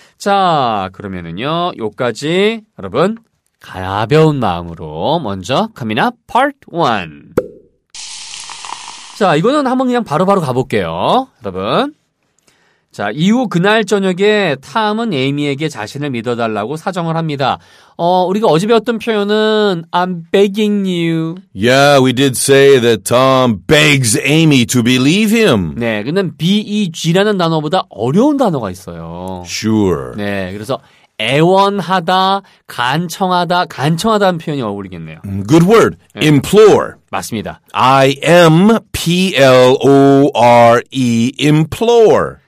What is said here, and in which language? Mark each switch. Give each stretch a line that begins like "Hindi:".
Korean: 자, 그러면은요, 여기까지 여러분 가벼운 마음으로 먼저
English: coming up part 1.
Korean: 자, 이거는 한번 그냥 바로 가볼게요. 여러분. 자, 이후 그날 저녁에 탐은 에이미에게 자신을 믿어달라고 사정을 합니다. 우리가 어제 배웠던 표현은
English: I'm begging you. Yeah, we did say that Tom begs Amy to believe him.
Korean: 네, 근데 BEG라는 단어보다 어려운 단어가 있어요.
English: Sure.
Korean: 네, 그래서 애원하다, 간청하다, 간청하다는 표현이 어울리겠네요.
English: Good word. 네. Implore.
Korean: 맞습니다.
English: I M P L O R E. Implore.